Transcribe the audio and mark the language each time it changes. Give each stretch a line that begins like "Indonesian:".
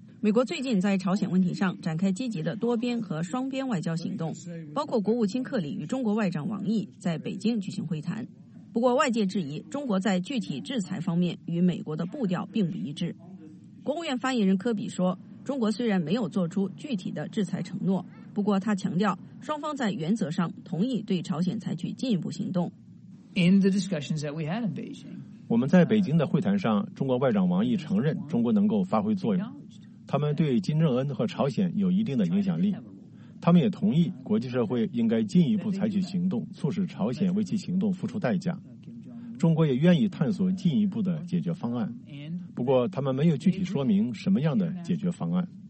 Chinese: 美国最近在朝鲜问题上展开积极的多边和双边外交行动，包括国务卿克里与中国外长王毅在北京举行会谈。不过外界质疑中国在具体制裁方面与美国的步调并不一致。国务院发言人科比说，中国虽然没有做出具体的制裁承诺，不过他强调双方在原则上同意对朝鲜采取进一步行动。
English: In the discussions that we had in Beijing,
Chinese: 我们在北京的会谈上，中国外长王毅承认中国能够发挥作用，他们对金正恩和朝鲜有一定的影响力，他们也同意国际社会应该进一步采取行动，促使朝鲜为其行动付出代价。中国也愿意探索进一步的解决方案，不过他们没有具体说明什么样的解决方案。